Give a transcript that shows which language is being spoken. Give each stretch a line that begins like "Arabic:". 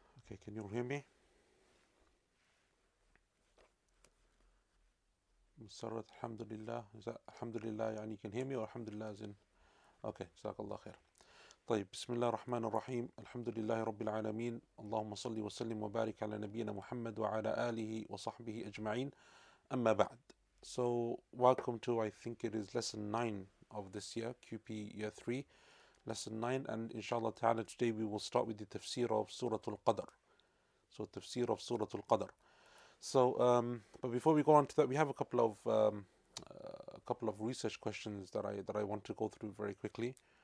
English: Okay, can you all hear me? Musarrat, alhamdulillah. Is that alhamdulillah? Yani you can hear me or alhamdulillah as in? Okay, jazakallah khair.
Arabic: طيب بسم الله الرحمن الرحيم الحمد لله رب العالمين اللهم صل وسلم وبارك على نبينا محمد وعلى آله وصحبه أجمعين أما بعد.
English: So welcome to, I think it is lesson 9 of this year, QP year 3, lesson 9, and inshallah ta'ala today we will start with the tafsir of Surah Al-Qadr. So tafsir of Surah Al-Qadr. So but before we go on to that, we have a couple of research questions that I want to go through very quickly.